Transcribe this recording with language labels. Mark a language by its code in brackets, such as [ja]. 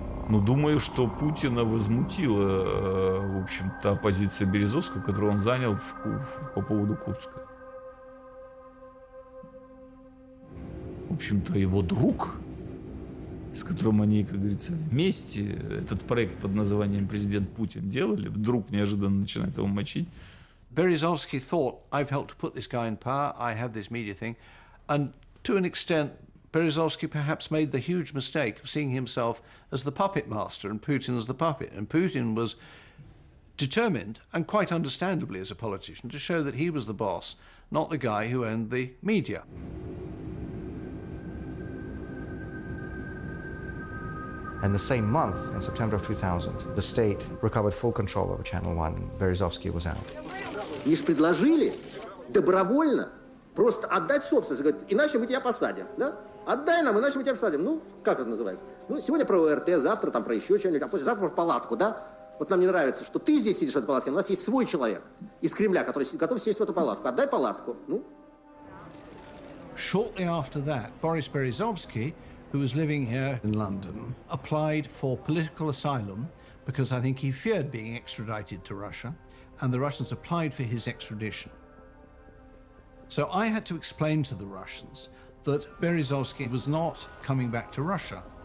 [ru] Ну, думаю, что Путина возмутила, в общем-то, позиция Березовского, которую он занял по поводу Курска. В общем-то, его друг, с которым они, как говорится, вместе этот проект под названием «Президент Путин» делали, вдруг неожиданно начинает его мочить. [en] Березовский thought, I've helped put this guy in power, I have this media thing, and to an extent... Berezovsky perhaps made the huge mistake of seeing himself as the puppet master and Putin as the puppet. And Putin was determined, and quite understandably as a politician, to show that he was the boss, not the guy who owned the media. And the same month, in September of 2000, the state recovered full control over Channel One. Berezovsky was out. [ru] Не ж предложили добровольно просто отдать собственность, иначе мы тебя посадим, да? Отдай нам, иначе мы тебя всадим. Ну, как это называется? Ну, сегодня про ОРТ, завтра там про еще что-нибудь, а после завтра про палатку, да? Вот нам не нравится, что ты здесь сидишь в этой палатке, у нас есть свой человек из Кремля, который готов сесть в эту палатку. Отдай палатку, ну. [en] Shortly after that, Boris Berezovsky, who was living here in London, applied for political asylum because I think he feared being extradited to Russia, and the Russians applied for his extradition. So I had to explain to the Russians that Berezovsky was not coming back to Russia.